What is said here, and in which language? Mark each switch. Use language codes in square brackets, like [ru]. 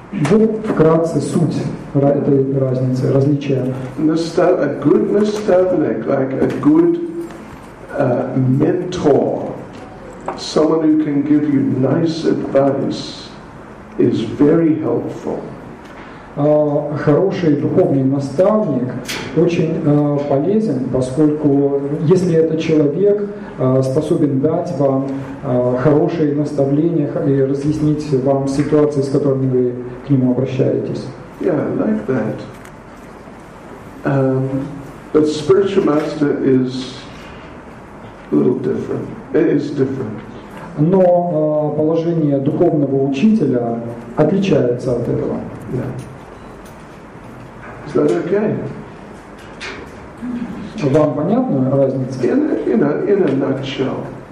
[ru] Вот вкратце суть этой разницы, различия. [en] A good [ru] naставник, [en] like a good mentor, someone who can give you nice advice, is very helpful. [ru] Хороший духовный наставник очень полезен, поскольку если этот человек способен дать вам хорошие наставления и разъяснить вам ситуации, с которыми вы к нему обращаетесь. [en] Yeah, I like that. But spiritual master is a little different. It is different. [ru] Но положение духовного учителя отличается от этого. [en] Yeah. Is that okay? [ru] Вам понятна разница? [en] In a nutshell.